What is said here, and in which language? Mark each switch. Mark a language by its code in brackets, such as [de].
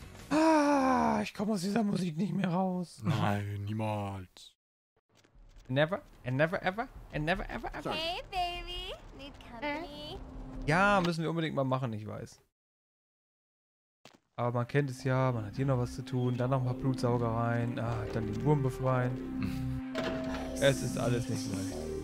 [de] Ah, ich komme aus dieser Musik nicht mehr raus. Nein, niemals. [en] Never and never ever and never ever ever. Hey, baby. Need company? [de] Ja, müssen wir unbedingt mal machen, ich weiß. Aber man kennt es ja, man hat hier noch was zu tun, dann noch ein paar Blutsauger rein, ah, dann den Wurm befreien. Es ist alles nicht leicht.